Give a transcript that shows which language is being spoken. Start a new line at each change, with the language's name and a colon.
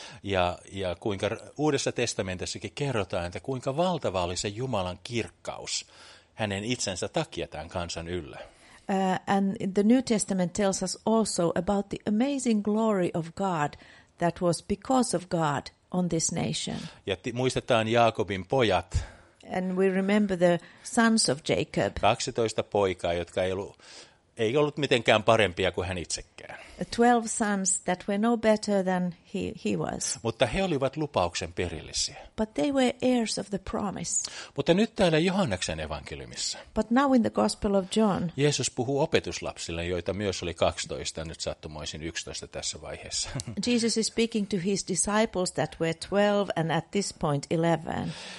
Finnish: Ja kuinka Uudessa testamentissakin kerrotaan, että kuinka valtava oli se Jumalan kirkkaus hänen itsensä takia tämän kansan yllä.
English: And the New Testament tells us also about the amazing glory of God that was because of God on this nation.
Finnish: Ja muistetaan Jaakobin pojat.
English: And we remember the sons of Jacob.
Finnish: 12 poikaa, jotka ei ollut mitenkään parempia kuin hän itsekään.
English: 12 sons that were no better than he was.
Finnish: Mutta he olivat lupauksen perillisiä.
English: But they were heirs of the promise.
Finnish: Mutta nyt täällä Johanneksen evankeliumissa.
English: But now in the Gospel of John.
Finnish: Jeesus puhuu opetuslapsille, joita myös oli 12, nyt sattumoisin 11 tässä vaiheessa.
English: Jesus is speaking to his disciples that were 12 and at this point 11.